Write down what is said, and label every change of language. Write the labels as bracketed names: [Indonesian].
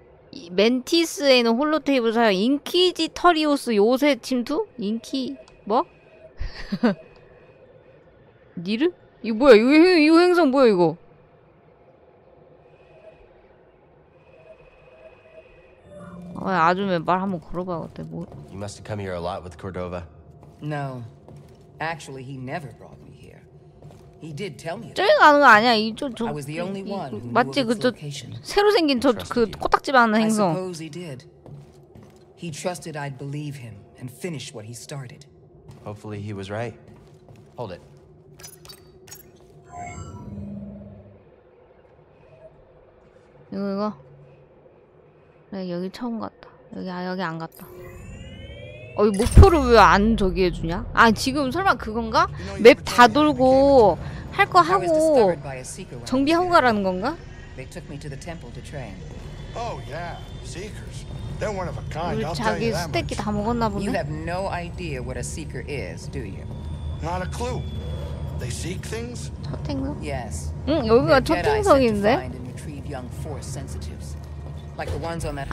[Korean] 이 멘티스에 있는 홀로테이블 사용 인키지터리오스 요새 침투? 인키 뭐? 니르? 이거 뭐야? 이거 행성 뭐야 이거? 어, 아줌마 말 한번 걸어봐야겠다. 뭐? [English] You must have come here a lot with Cordova. No, actually he never brought me here. He did tell me. [Korean] 저기 가는 거 아니야? 이쪽 [English] I was the only one who [Korean] 맞지 그저 새로 생긴 저 그 코딱지만 하는 행성. [English] I suppose he did. He trusted I'd believe him and finish what he started. Hopefully he was right. Hold it. [Korean] 이거 내가 여기 처음 갔다. 여기 아 여기 안 갔다. 어 이 목표를 왜 안 저기 해주냐? 아 지금 설마 그건가? 맵 다 돌고 할 거 하고 정비하고 가라는 건가? [English] Oh yeah, seekers. [Korean] 자기 스테이크 다 먹었나 보네. [English] You have no idea what a seeker is, do you? Not a clue. They seek things? [Korean] 첫행성? [English] Yes. [Korean] 응, 여기가 첫행성인데. [English] Young force sensitives, like the ones on that.